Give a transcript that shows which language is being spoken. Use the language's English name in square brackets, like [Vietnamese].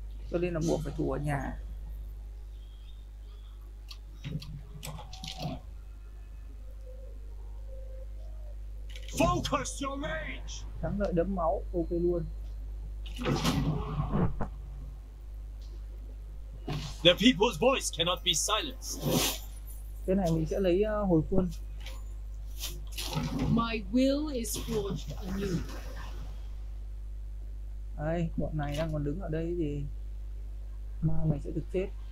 [Vietnamese] Cho nên là buộc phải thủ ở nhà. [English] Focus your rage. [Vietnamese] Thắng lợi đấm máu, ok luôn. [English] The people's voice cannot be silenced. [Vietnamese] Cái này mình sẽ lấy hồi quân. [English] My will is forged anew. [Vietnamese] Đây, bọn này đang còn đứng ở đây thì ma mày sẽ được chết.